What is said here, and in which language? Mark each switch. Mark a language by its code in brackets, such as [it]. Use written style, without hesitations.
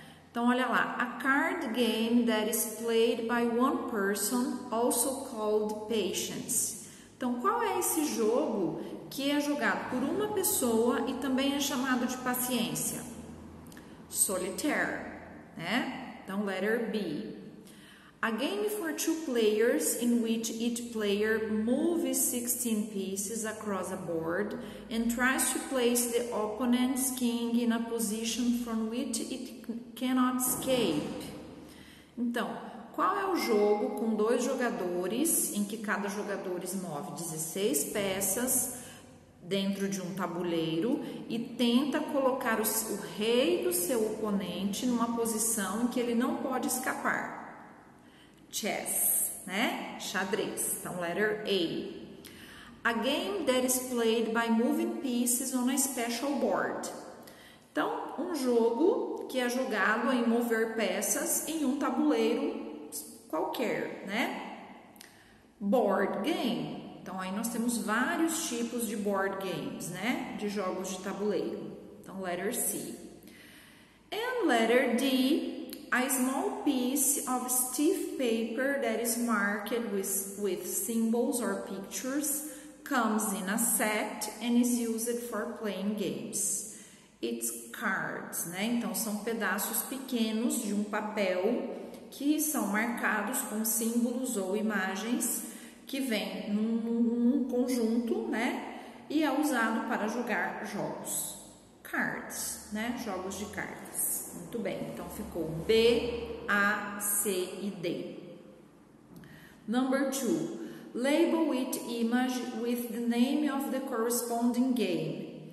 [pt] Então olha lá, [en] a card game that is played by one person, also called patience. [pt] Então qual é esse jogo que é jogado por uma pessoa e também é chamado de paciência? Solitaire, né? Então [en] letter B. A game for two players in which each player moves 16 pieces across a board and tries to place the opponent's king in a position from which it cannot escape. [pt] Então, qual é o jogo com dois jogadores em que cada jogador move 16 peças dentro de um tabuleiro e tenta colocar o rei do seu oponente numa posição em que ele não pode escapar? Chess, né? Xadrez. Então, [en] letter A. A game that is played by moving pieces on a special board. [pt] Então, um jogo que é jogado em mover peças em um tabuleiro qualquer, né? [en] Board game. [pt] Então, aí nós temos vários tipos de board games, né? De jogos de tabuleiro. Então, [en] letter C. And letter D. A small piece of stiff paper that is marked with symbols or pictures comes in a set and is used for playing games. It's cards, [pt] né? Então são pedaços pequenos de um papel que são marcados com símbolos ou imagens que vem num conjunto, né? E é usado para jogar jogos. Cards, né? Jogos de cartas. Muito bem, então ficou B, A, C e D. [en] Number two, label each image with the name of the corresponding game.